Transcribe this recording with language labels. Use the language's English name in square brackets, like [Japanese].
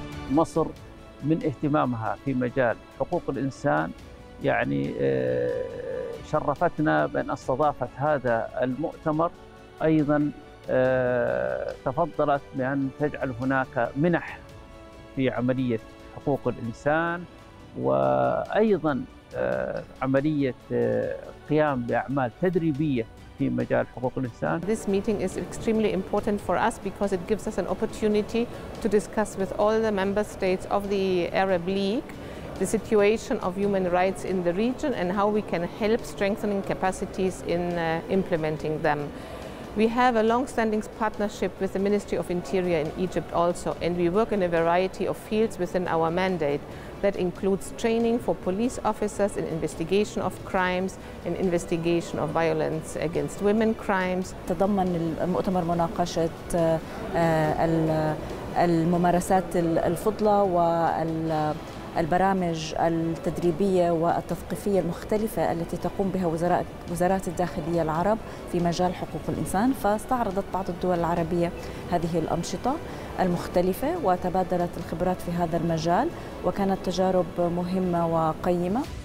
[Arabic] مصر من اهتمامها في مجال حقوق الإنسان يعني شرفتنا بأن استضافت هذا المؤتمر، أيضا تفضلت بأن تجعل هناك منح في عملية حقوق الإنسان، وأيضا عملية قيام بأعمال تدريبية في مجال حقوق الإنسان. [English] This meeting is extremely important for us because it gives us an opportunity to discuss with all the member states of the Arab League the situation of human rights in the region and how we can help strengthening capacities in implementing them. We have a long-standing partnership with the Ministry of Interior in Egypt also, and we work in a variety of fields within our mandate. That includes training for police officers in investigation of crimes and investigation of violence against women crimes. [Arabic] تضمن المؤتمر مناقشة الممارسات الفضلة والبرامج التدريبية والتثقيفية المختلفة التي تقوم بها وزارات الداخلية العرب في مجال حقوق الإنسان، فاستعرضت بعض الدول العربية هذه الأنشطة المختلفة وتبادلت الخبرات في هذا المجال، وكانت تجارب مهمة وقيمة.